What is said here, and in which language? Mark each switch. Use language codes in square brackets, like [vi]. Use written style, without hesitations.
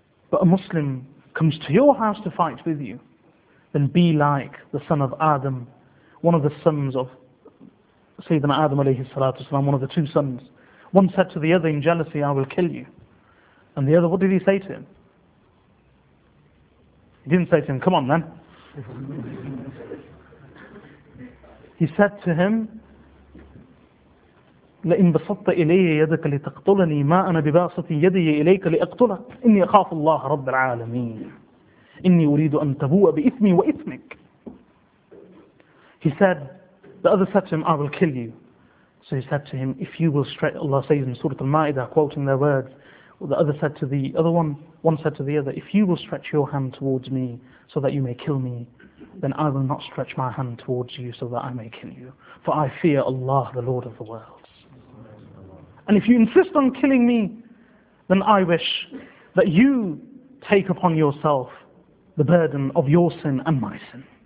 [en] but a Muslim comes to your house to fight with you, then be like the son of Adam, one of the sons of Sayyidina Adam alayhi salatu salam, one of the two sons. One said to the other in jealousy, I will kill you. And the other, what did he say to him? He didn't say to him, come on then. He said to him, [ar] لَإِنْ بَسَطَّ إِلَيَّ يَدَكَ لِتَقْتُلَنِي مَا أَنَا بِبَاسَطٍ يَدِيَ إِلَيْكَ لِأَقْتُلَكَ إِنِّي أَخَافُ اللَّهَ رَبَّ الْعَالَمِينَ إِنِّي أُرِيدُ أَنْ تَبُوَ بِإِثْمِي وَإِثْمِكَ. [en] He said, the other said to him, I will kill you. So he said to him, if you will stretch, Allah says in Surah Al-Ma'idah, quoting their words, the other said to the other one, one said to the other, if you will stretch your hand towards me so that you may kill me, then I will not stretch my hand towards you so that I may kill you. For I fear Allah, the Lord of the worlds. And if you insist on killing me, then I wish that you take upon yourself the burden of your sin and my sin.